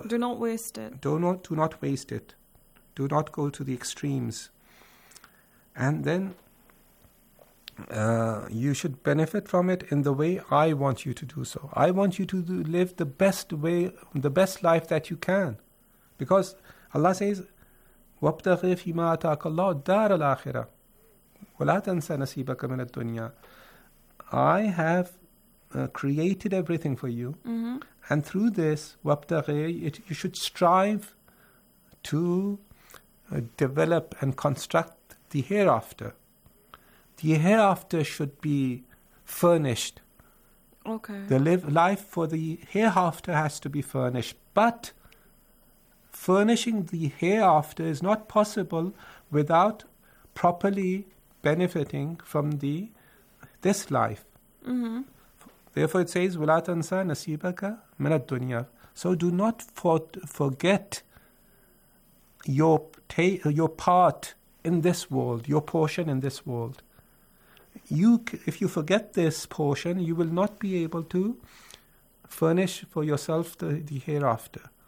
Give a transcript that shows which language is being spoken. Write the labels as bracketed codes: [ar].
[en] do not waste it. Do not waste it. Do not go to the extremes. And then you should benefit from it in the way I want you to do so. I want you to live the best way, the best life that you can. Because Allah says, [ar] وَابْتَغِ فِي مَا أَتَاكَ اللَّهُ الدَّارَ الْآخِرَةِ وَلَا تَنْسَ نَسِيبَكَ مِنَ الدُّنْيَا. [en] I have created everything for you. Mm-hmm. And through this, وَابْتَغِ, you should strive to develop and construct the hereafter. The hereafter should be furnished. Okay. The life for the hereafter has to be furnished. But furnishing the hereafter is not possible without properly benefiting from this life. Mm-hmm. Therefore it says, [ar] وَلَا تَنْسَى نَسِيبَكَ مِنَ الدُّنْيَا. [en] So do not forget your part in this world, your portion in this world. If you forget this portion, you will not be able to furnish for yourself the hereafter.